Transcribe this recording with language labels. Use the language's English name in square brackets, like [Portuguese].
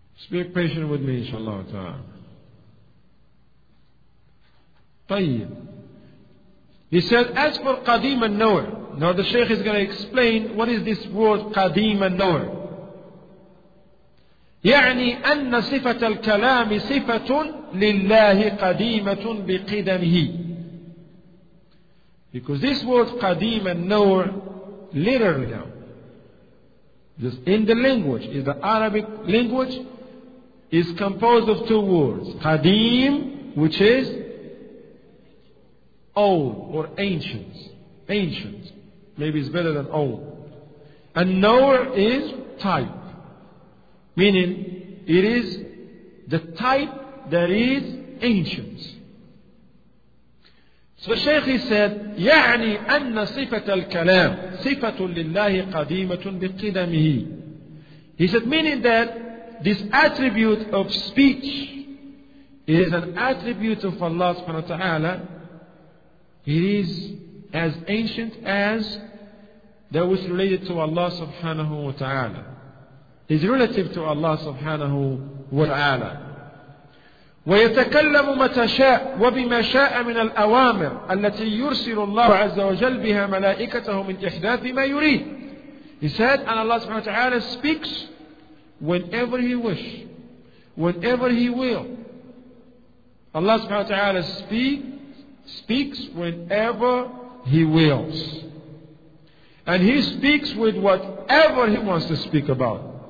[English] Be patient with me, inshallah ta'ala. He said, as for Qadim al-Nawr, now the Shaykh is going to explain what is this word Qadim al-Nawr. [Arabic] يعني أن صفة الكلام صفة لله قديمة بقدمه. [English] Because this word Qadim al-Nawr, literally now, just in the language, is the Arabic language, is composed of two words, qadim, which is old or ancient, ancient. Maybe it's better than old. And Nawr is type, meaning it is the type that is ancient. So the Shaykh said, [Arabic] يعني أن صفة الكلام صفة لله قديمة بقدمه. [English] He said, meaning that this attribute of speech is an attribute of Allah subhanahu wa ta'ala. It is as ancient as that was related to Allah subhanahu wa ta'ala. Is relative to Allah subhanahu wa ta'ala. [Arabic] ويتكلم متى شاء وبما شاء من الأوامر التي يرسل الله عز وجل بها ملائكته من إحداث ما يريد. [English] He said, and Allah subhanahu wa ta'ala speaks whenever He wish, whenever He will. Allah subhanahu wa ta'ala speaks whenever He wills. And He speaks with whatever He wants to speak about.